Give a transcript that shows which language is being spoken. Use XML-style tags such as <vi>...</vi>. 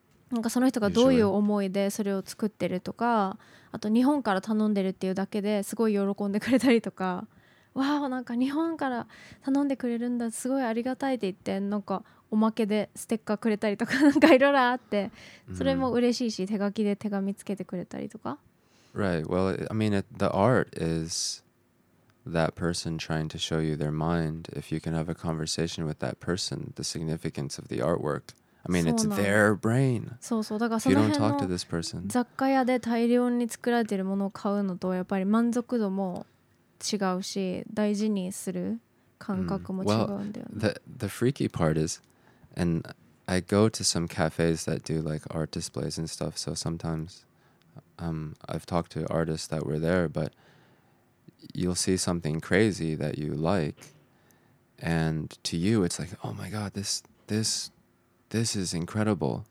<ja>なんかその人がどういう思いでそれを作ってるとか、あと日本から頼んでるっていうだけですごい喜んでくれたりとか、わあなんか日本から頼んでくれるんだすごいありがたいって言って、なんかおまけでステッカーくれたりとか、なんかいろいろあって、それも嬉しいし、手書きで手紙つけてくれたりとか。</ja> <en>Right, well, I mean, the art is that person trying to show you their mind. If you can have a conversation with that person, the significance of the artwork, I mean, it's their brain.</en> <ja>そうそう、だからその辺の雑貨屋で大量に作られているものを買うのとやっぱり満足度も違うし、大事にする感覚も違うんだよね。</ja> <en>Well, the freaky part is, and I go to some cafes that do like art displays and stuff, so sometimes I've talked to artists that were there, but you'll see something crazy that you like, and to you it's like, oh my god, this is incredible.</en>